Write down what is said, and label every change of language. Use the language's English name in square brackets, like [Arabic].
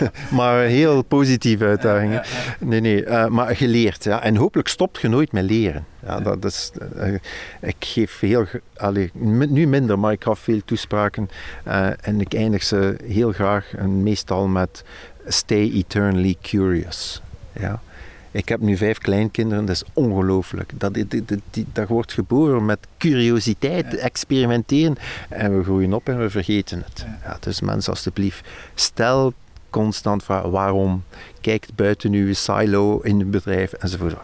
[Dutch] Maar een heel positieve uitdaging. Maar geleerd. Ja. En hopelijk stopt je nooit met leren. Ja, dat is, ik geef heel... nu minder, maar ik gaf veel toespraken. En ik eindig ze heel graag en meestal met... [English] Stay eternally curious. [Dutch] Ja. Ik heb nu 5 kleinkinderen, dat is ongelooflijk. Dat wordt geboren met curiositeit, experimenteren. En we groeien op en we vergeten het. Ja. Ja, dus mensen, alstublieft, stel constant waarom. Kijk buiten uw silo in het bedrijf enzovoort.